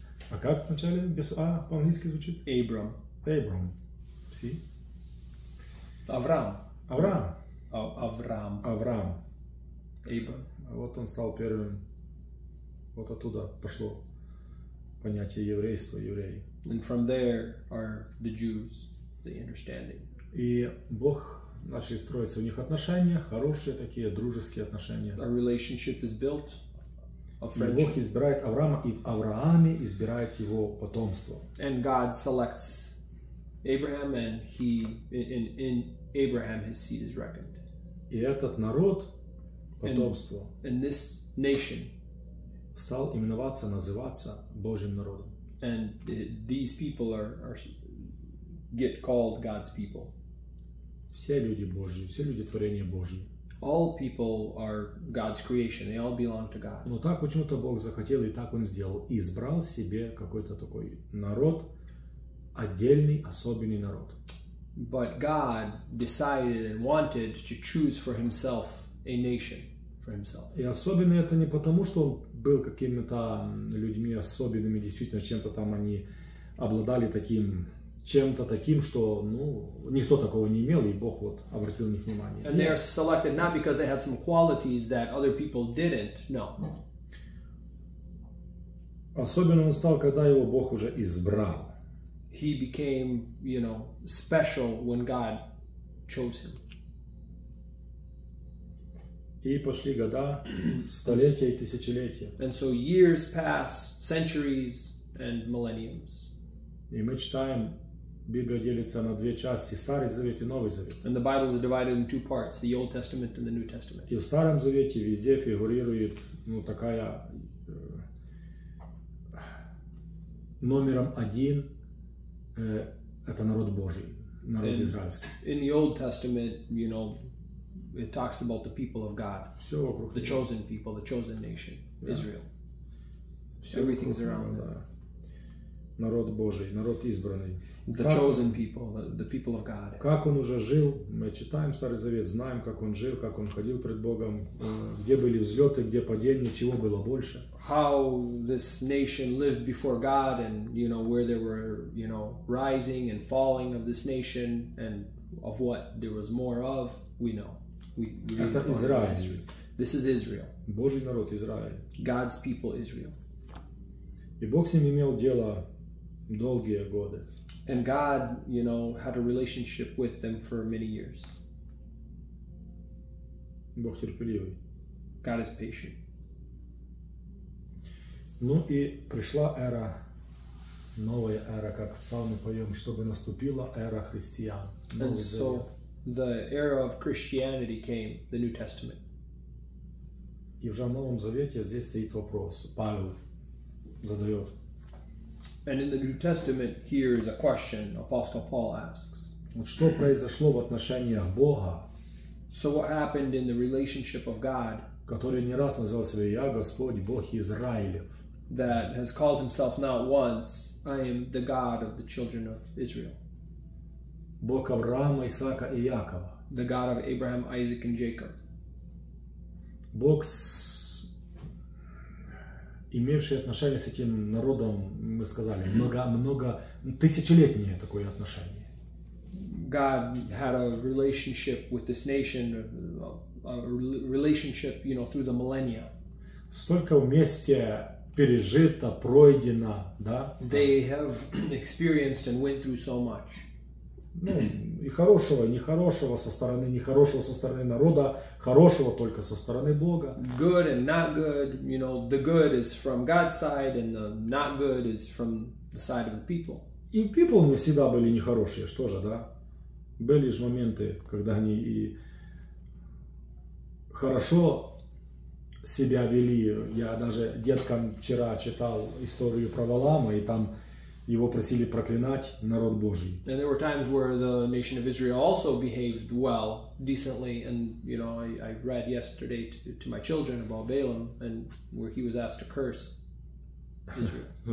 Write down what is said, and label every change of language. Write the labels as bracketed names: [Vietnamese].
[Russian] А как вначале без А по-английски звучит? [English] Abram. Abram. See? [Russian] Авраам. Авраам. Авраам. Авраам. [English] Abram. [Russian] Вот он стал первым. Вот оттуда пошло понятие еврейства, евреи. [English] And from there are the Jews, the understanding. [Russian] И Бог начали строиться у них отношения, хорошие такие, дружеские отношения. [English] A relationship is built. [Russian] И Бог избирает Авраама, и в Аврааме избирает его потомство. [English] And God selects Abraham, and he in Abraham his seed is reckoned. [Russian] И этот народ, потомство, [English] and this nation, [Russian] стал именоваться, называться Божьим народом. [English] And these people are get called God's people. [Russian] Все люди Божьи, все люди творения Божьи. [English] All people are God's creation. They all belong to God. [Russian] Но так почему-то Бог захотел, и так Он сделал. Избрал себе какой-то такой народ, отдельный, особенный народ. [English] But God decided and wanted to choose for Himself a nation for Himself. [Russian] И особенный это не потому, что Он был какими-то людьми особенными, действительно, чем-то там они обладали таким... чем-то таким, что, ну, никто такого не имел, и Бог вот обратил на них внимание. [English] And they are selected not because they had some qualities that other people didn't, no. [Russian] Особенно он стал, когда его Бог уже избрал. [English] He became, you know, special when God chose him. [Russian] И пошли года, столетия и тысячелетия. [English] And so years pass, centuries and millenniums. [Russian] И мы читаем... Библия делится на две части: Старый Завет и Новый Завет. And the Bible is divided in two parts: the Old Testament and the New Testament. И в Старом Завете везде фигурирует, ну, такая номером один, это народ Божий. народ израильский. [English] In the Old Testament, you know, it talks about the people of God. [Russian] Все вокруг. [English] The chosen people, the chosen nation, yeah. Israel. [Russian] Все [English] Everything's around [Russian] народ, да. Народ Божий, народ избранный. [English] The [Russian] как, [English] chosen people, the people of God. [Russian] Как он уже жил, мы читаем Старый Завет, знаем, как он жил, как он ходил пред Богом, где были взлеты, где падения, чего было больше. [English] How this nation lived before God, and you know where there were, you know, rising and falling of this nation, and of what there was more of, we know. [Russian] Это Израиль. [English] This is Israel. [Russian] Божий народ Израиль. [English] God's people Israel. [Russian] И Бог с ним имел дело долгие годы. [English] And God, you know, had a relationship with them for many years. [Russian] Бог терпеливый. [English] God is patient. [Russian] Ну и пришла эра, новая эра, как в Псалме поем, чтобы наступила эра христиан. [English] And so the era of Christianity came, the New Testament. [Russian] И уже в Новом Завете здесь стоит вопрос, Павел задает. [English] And in the New Testament, here is a question Apostle Paul asks. [Russian] Вот что произошло в отношениях Бога? [English] So what happened in the relationship of God? [Russian] Который не раз назвал себя Я Господь, Бог Израилев. [English] That has called himself not once, I am the God of the children of Israel. [Russian] Бог Авраама, Исаака и Якова. [English] The God of Abraham, Isaac and Jacob. [Russian] Бог с... имевшие отношения с этим народом, мы сказали, много тысячелетнее такое отношение. [English] God had a relationship with this nation, a relationship, you know, through the millennia. [Russian] Столько вместе пережито, пройдено, да? [English] They have experienced and went through so much. [Russian] Ну, и хорошего, и нехорошего со стороны, нехорошего со стороны народа, хорошего только со стороны Бога. [English] Good and not good, you know, the good is from God's side, and the not good is from the side of the people. [Russian] И [English] people [Russian] не всегда были нехорошие, что же, да? Были же моменты, когда они и хорошо себя вели. Я даже деткам вчера читал историю про Валаама, и там... Его просили проклинать народ Божий. [English] And there were times where the nation of Israel also behaved well, decently, and you know, I read yesterday to my children about Balaam, and where he was asked to curse Israel.